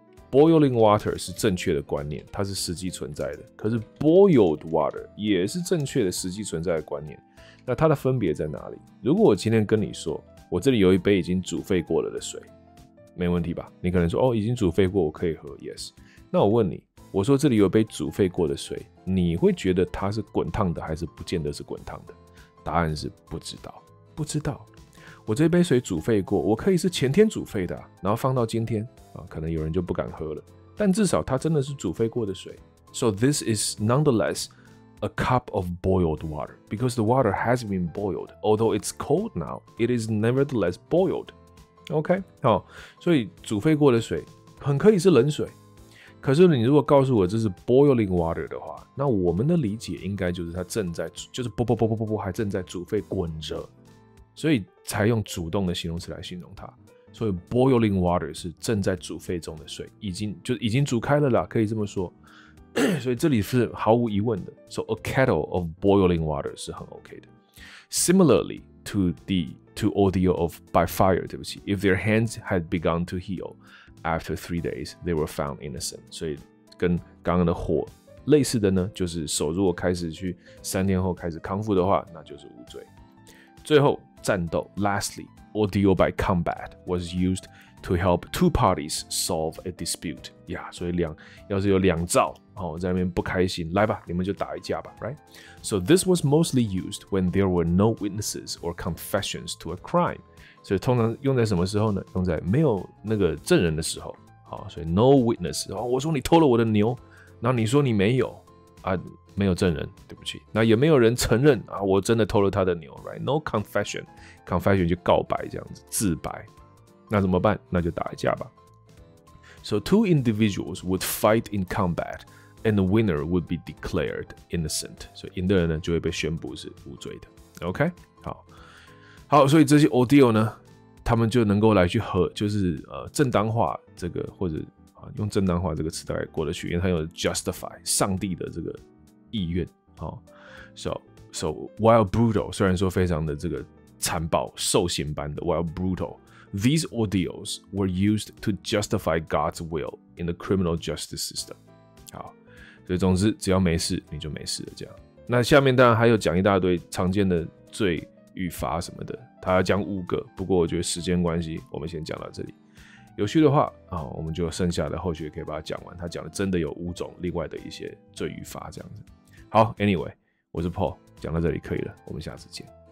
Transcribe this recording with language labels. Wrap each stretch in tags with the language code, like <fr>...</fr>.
<zh>boiling water 是正确的观念它是实际存在的可是 boiled water 也是正确的实际存在的观念那它的分别在哪里如果我今天跟你说我这里有一杯已经煮沸过了的水没问题吧你可能说哦，已经煮沸过我可以喝 yes 那我问你我说这里有一杯煮沸过的水你会觉得它是滚烫的还是不见得是滚烫的？答案是不知道，不知道。我这杯水煮沸过，我可以是前天煮沸的，然后放到今天，可能有人就不敢喝了，但至少它真的是煮沸过的水。</zh> <en>So this is nonetheless a cup of boiled water, because the water has been boiled. Although it's cold now, it is nevertheless boiled.</en> <zh>OK, 好，所以煮沸过的水很可以是冷水，可是你如果告诉我这是 boiling water 的话，那我们的理解应该就是它正在，就是不还正在煮沸滚着，所以才用主动的形容词来形容它。所以 boiling water 是正在煮沸中的水，已经煮开了啦，可以这么说。所以这里是毫无疑问的。</zh> <en>So a kettle of boiling water 是很 OK 的。 Similarly to the ordeal of by fire,</en> <zh>对不起</zh> <en>，if their hands had begun to heal after 3 days, they were found innocent.</en> <zh>所以跟刚刚的火类似的呢，就是手如果开始去3天后开始康复的话，那就是无罪。最后战斗</zh> <en>，Lastly。Ordeal by combat was used to help two parties solve a dispute.</en> <zh>Yeah, 所以两要是有两造哦，在那边不开心，来吧，你们就打一架吧 ，right?</zh> <en>So this was mostly used when there were no witnesses or confessions to a crime.</en> <zh>所以通常用在什么时候呢？用在没有那个证人的时候。好，所以 no witness 哦，我说你偷了我的牛，那你说你没有啊，没有证人，对不起，那也没有人承认啊，我真的偷了他的牛 ，right?</zh> <en>No confession.</en> <zh>Confession 就告白这样子，自白。那怎么办？那就打一架吧。</zh> <en>So two individuals would fight in combat, and the winner would be declared innocent.</en> <zh>所以赢的人呢就会被宣布是无罪的。 OK， 好，好，所以这些 ordeal 呢，他们就能够来去和，就是正当化这个，或者啊用正当化这个词大概过得去，因为他有 justify 上帝的这个意愿。好 ，</zh> <en>So while brutal，</en> <zh>虽然说非常的这个。残暴受刑般的</zh> <en>while brutal, these ordeals were used to justify God's will in the criminal justice system.</en> <zh>好，所以总之只要没事你就没事了这样。那下面当然还有讲一大堆常见的罪与罚什么的，他要讲5个，不过我觉得时间关系我们先讲到这里。有趣的话我们就剩下的后续可以把它讲完，他讲的真的有5种另外的一些罪与罚这样子。好 ,anyway, 我是 Paul, 讲到这里可以了，我们下次见。</zh>